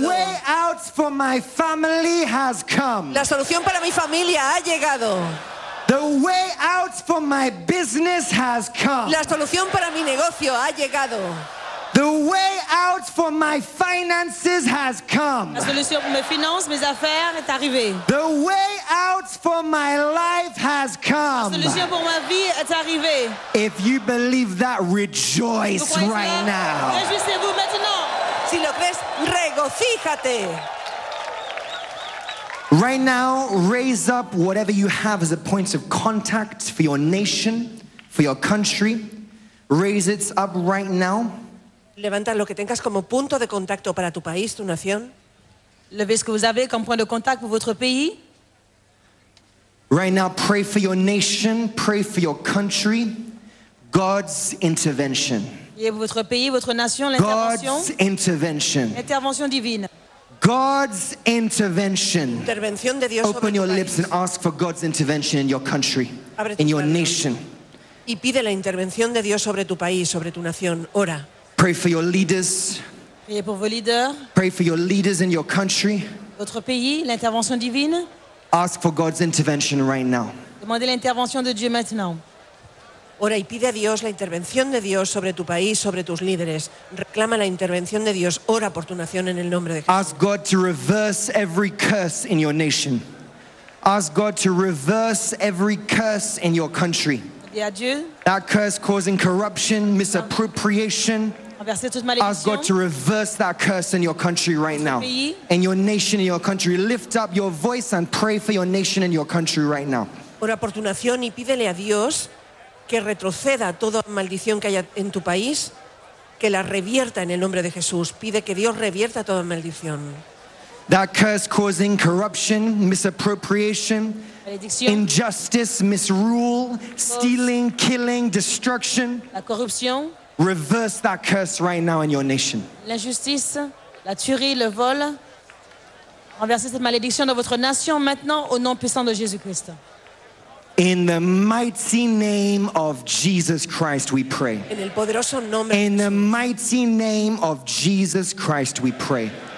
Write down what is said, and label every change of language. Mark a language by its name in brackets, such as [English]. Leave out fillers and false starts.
[English] The way out for my family has come. [Spanish] La solución para mi familia ha llegado. [English] The way out for my business has come. [Spanish] La solución para mi negocio ha llegado. [English] The way out for my finances has come. [Spanish] La solución para mis finanzas, mis [French] affaires est arrivée. [English] The way out for my life has come. [Spanish] La solución [French] pour ma vie est arrivée. [English] If you believe that, rejoice right now. [French] Réjouissez-vous maintenant. [Spanish] Si lo crees, regocíjate. [English] Right now, raise up whatever you have as a point of contact for your nation, for your country. Raise it up right now. [Spanish] Levanta lo que tengas como punto de contacto para tu país, tu nación. [French] Levez ce que vous avez comme point de contact pour votre pays. [English] Right now, pray for your nation, pray for your country. God's intervention. [French] Priez pour votre pays, votre nation, l'intervention. [English] God's intervention. [French] Intervention divine. [English] God's intervention. [Spanish] Intervención de Dios. [English] Open your lips and ask for God's intervention in your country, in your nation. [Spanish] Y pide la intervención de Dios sobre tu país, sobre tu nación. Ora. [English] Pray for your leaders. [French] Priez pour vos leaders. [English] Pray for your leaders in your country. [French] Votre pays, l'intervention divine. [English] Ask for God's intervention right now. [French] Demandez l'intervention de Dieu maintenant. [Spanish] Ora y pide a Dios la intervención de Dios sobre tu país, sobre tus líderes. Reclama la intervención de Dios. Ora por tu nación en el nombre de Jesús. [English] Ask God to reverse every curse in your nation. Ask God to reverse every curse in your country. That curse causing corruption, misappropriation. Ask God to reverse that curse in your country right now. In your nation, in your country. Lift up your voice and pray for your nation and your country right now. [Spanish] Ora por tu nación y pídele a Dios que retroceda toda maldición que haya en tu país, que la revierta en el nombre de Jesús. Pide que Dios revierta toda maldición. [English] That curse causing corruption, misappropriation, injustice, misrule, stealing, killing, destruction. [Spanish] La corrupción. [English] Reverse that curse right now in your nation. [French] L'injustice, la tuerie, le vol. Renversez cette malédiction dans votre nation maintenant au nom puissant de Jésus-Christ. [English] In the mighty name of Jesus Christ, we pray. [Spanish] En el poderoso nombre. [English] In the mighty name of Jesus Christ, we pray.